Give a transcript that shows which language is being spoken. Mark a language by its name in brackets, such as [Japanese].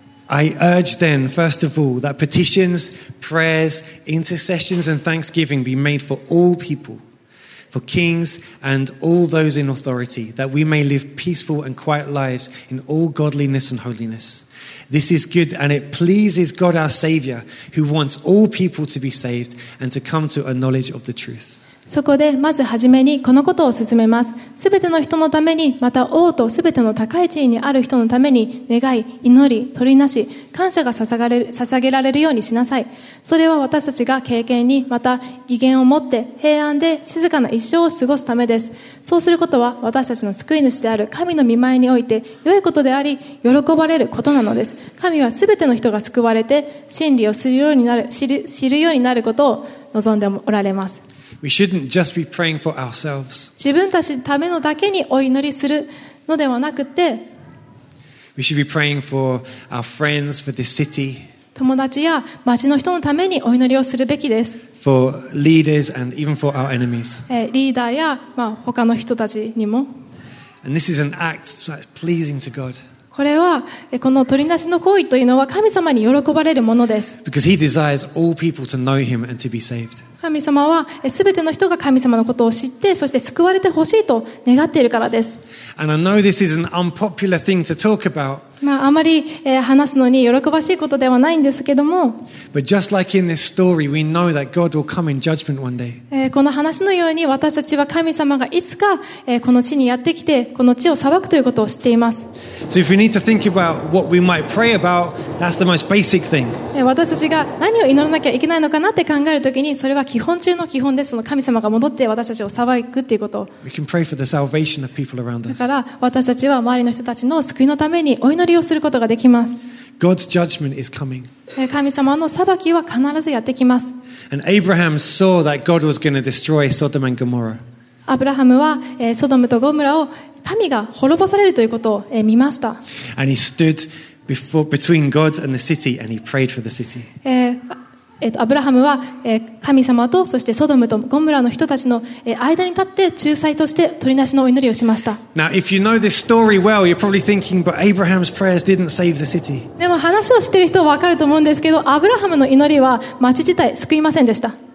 [English] I urge then, first of all, that petitions, prayers, intercessions, and thanksgiving be made for all people, for kings and all those in authority, that we may live peaceful and quiet lives in all godliness and holiness. This is good, and it pleases God our Savior, who wants all people to be saved and to come to a knowledge of the truth. [Japanese] そこでまずはじめにこのことを進めます。すべての人のために、また王とすべての高い地位にある人のために願い、祈り、取りなし、感謝が捧げられるようにしなさい。それは私たちが敬虔に、また威厳を持って平安で静かな一生を過ごすためです。そうすることは私たちの救い主である神の御前において良いことであり、喜ばれることなのです。神はすべての人が救われて真理を知るようになることを望んでおられます。 [English] We shouldn't just be praying for ourselves. [Japanese] 自分たちのためのだけにお祈りするのではなくて、 [English] We should be praying for our friends, for this city. [Japanese] 友達や町の人のためにお祈りをするべきです。 [English] For leaders and even for our enemies. [Japanese] リーダーや、まあ、他の人たちにも。 [English] And this is an act that's pleasing to God. [Japanese] これはこの取りなしの行為というのは神様に喜ばれるものです。 [English] Because he desires all people to know him and to be saved. [Japanese] 神様はすべての人が神様のことを知ってそして救われてほしいと願っているからです。 [English] And I know this is an unpopular thing to talk about. [Japanese] まああまり話すのに喜ばしいことではないんですけども。 [English] But just like in this story, we know that God will come in judgment one day. [Japanese] この話のように私たちは神様がいつかこの地にやってきてこの地を裁くということを知っています。 [English] So if we need to think about what we might pray about, that's the most basic thing. [Japanese] 私たちが何を祈らなきゃいけないのかなって考えるときにそれは基本中の基本です。その神様が戻って私たちを裁くっていうこと。 [English] We can pray for the salvation of people around us. [Japanese] だから私たちは周りの人たちの救いのためにお祈りをすることができます。 [English] God's judgment is coming. [Japanese] 神様の裁きは必ずやってきます。 [English] And Abraham saw that God was going to destroy Sodom and Gomorrah. [Japanese] アブラハムはソドムとゴムラを神が滅ぼされるということを見ました。 [English] And he stood between God and the city and he prayed for the city. [Japanese] アブラハムは神様とそしてソドムとゴムラの人たちの間に立って仲裁として取りなしのお祈りをしました。でも話を知っている人は分かると思うんですけどアブラハムの祈りは町自体救いませんでした。